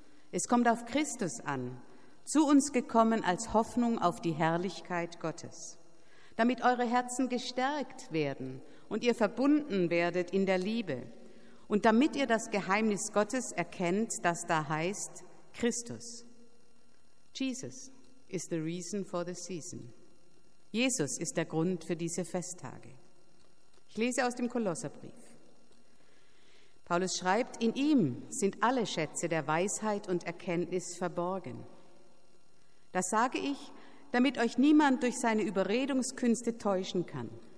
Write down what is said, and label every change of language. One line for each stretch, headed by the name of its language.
German: Es kommt auf Christus an, zu uns gekommen als Hoffnung auf die Herrlichkeit Gottes. Damit eure Herzen gestärkt werden und ihr verbunden werdet in der Liebe. Und damit ihr das Geheimnis Gottes erkennt, das da heißt Christus.
English: Jesus is the reason for the season.
German: Jesus ist der Grund für diese Festtage. Ich lese aus dem Kolosserbrief. Paulus schreibt, in ihm sind alle Schätze der Weisheit und Erkenntnis verborgen. Das sage ich, damit euch niemand durch seine Überredungskünste täuschen kann.